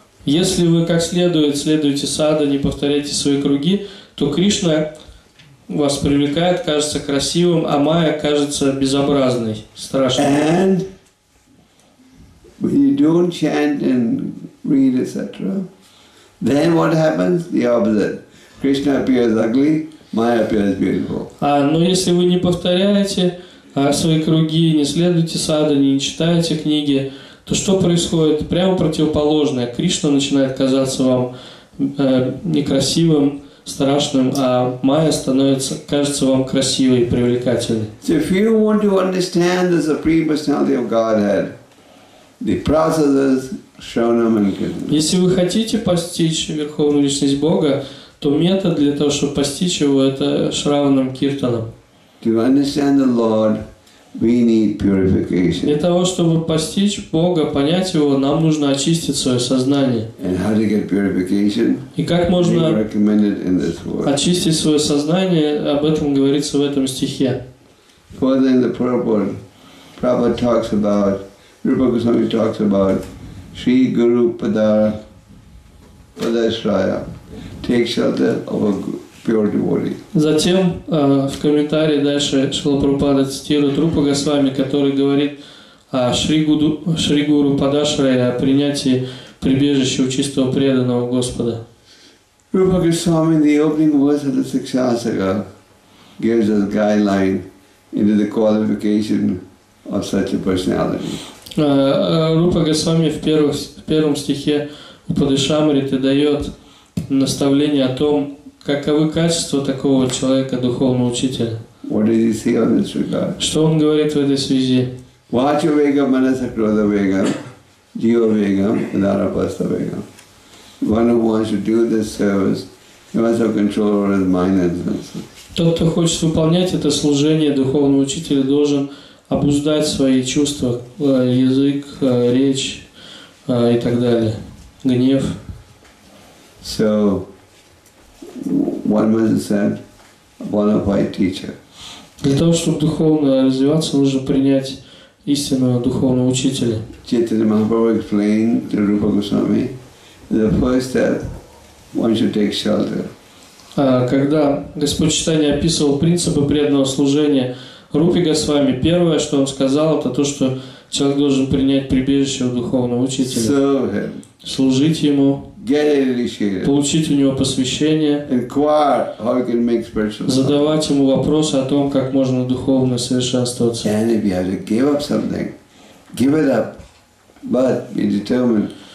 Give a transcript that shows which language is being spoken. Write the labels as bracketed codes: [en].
[ru] Если вы как следует следуете садхане, повторяете свои круги, то Кришна вас привлекает, кажется красивым, а Майя кажется безобразной, страшной. [en] And when you don't chant and read, etc., then what happens? The opposite. Krishna appears ugly, Maya appears beautiful. [ru] Но если вы не повторяете свои круги, не следуете садхане, не читаете книги, то что происходит? Прямо противоположное. Кришна начинает казаться вам некрасивым, страшным, а Майя становится, кажется вам красивой и привлекательной. [en] So if you want to understand the Supreme Personality of Godhead, the process is Shravanam and Kirtanam. [ru] Если вы хотите постичь Верховную Личность Бога, то метод для того, чтобы постичь его, это Шраванам Киртанам. [en] To understand the Lord, we need purification. [ru] Для того, чтобы постичь Бога, понять его, нам нужно очистить свое сознание. [en] And how to get purification? [ru] И как можно [en] recommended in this word. [ru] Очистить свое сознание, об этом говорится в этом стихе. [en] Further in the Prabhupada, Prabhupada talks about, Rupa Goswami talks about, Sri Guru Padashraya, take shelter of a pure devotee. [ru] Затем в комментарии дальше Шрила Прабхупада цитирует Рупа Госвами, который говорит о Шри Гуру Падашрая, о принятии прибежища у чистого преданного Господа. [en] Rupa Goswami, the opening verse of the Sikshasaka, gives us guideline into the qualification of such a personality. [ru] Рупа Госвами в первом стихе Упадешамриты дает наставление о том, каковы качества такого человека, духовного учителя. [en] What does he say on this regard? [ru] Что он говорит в этой связи? [sa] Vācha vegam manasa krodha vegam jīva vegam adhāra pastha vegam. [en] One who wants to do this service, he must have control over his mind and senses. [ru] Тот, кто хочет выполнять это служение духовного учителя, должен обуздать свои чувства, язык, речь и так далее, гнев. [en] So, one must ascend a bona fide teacher. [ru] Для того, чтобы духовно развиваться, нужно принять истинного духовного учителя. [en] Chaitanya Mahaprabhu explained to Rupa Goswami, the first step, one should take shelter. [ru] Когда Господь Читания описывал принципы преданного служения Рупе Госвами, первое, что он сказал, это то, что человек должен принять прибежище у духовного учителя. [en] So, [ru] служить ему, [en] get initiated, [ru] получить у него посвящение, [en] inquire how you can make spiritual life, [ru] задавать ему вопросы о том, как можно духовно совершенствоваться. [en] And if you have to give up something, give it up, but be determined.